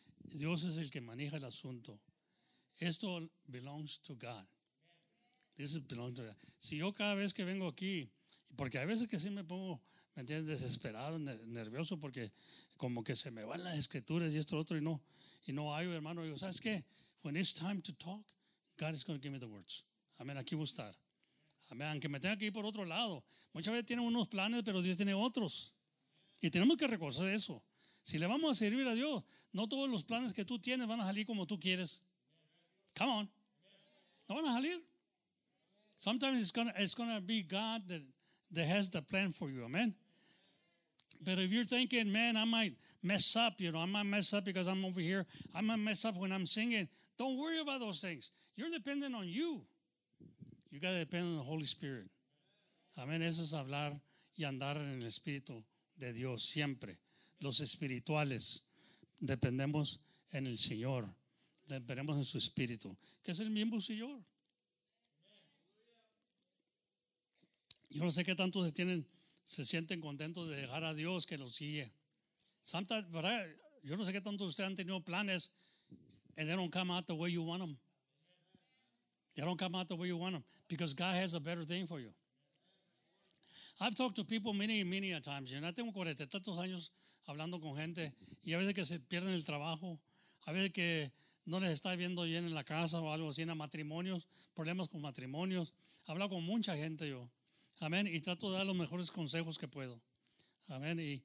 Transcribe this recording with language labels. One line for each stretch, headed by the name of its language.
Spanish: Dios es el que maneja el asunto. Esto
English: belongs to God. This belongs to God.
Spanish: Si yo cada vez que vengo aquí, porque hay veces que sí me pongo, ¿me entiendes?, desesperado, nervioso, porque como que se me van las escrituras y esto, otro, y no hay, hermano. Digo, ¿sabes qué?
English: When it's time to talk, God is going to give me the words.
Spanish: Amén. Aquí voy a estar. Amén. Aunque me tenga que ir por otro lado. Muchas veces tienen unos planes, pero Dios tiene otros. Y tenemos que recordar eso. Si le vamos a servir a Dios, no todos los planes que tú tienes van a salir como tú quieres.
English: Come on.
Spanish: No van a salir.
English: Sometimes it's gonna be God that has the plan for you. Amen. But if you're thinking, man, I might mess up, I might mess up because I'm over here. I might mess up when I'm singing. Don't worry about those things. You're dependent on you. You got to depend on the Holy Spirit. Amen.
Spanish: Eso es hablar y andar en el Espíritu de Dios siempre. Los espirituales dependemos en el Señor, dependemos en su Espíritu, que es el mismo Señor. Yo no sé qué tantos se sienten contentos de dejar a Dios que los guíe. Santa, ¿verdad? Yo no sé qué tantos de ustedes han tenido planes
English: and they don't come out the way you want them. They don't come out the way you want them because God has a better thing for you. I've talked to people many a times.
Spanish: I tengo 40 tantos años hablando con gente y a veces que se pierden el trabajo, a veces que no les está viendo bien en la casa o algo así, en matrimonios, problemas con matrimonios. He hablado con mucha gente yo. Amén. Y trato de dar los mejores consejos que puedo. Amén.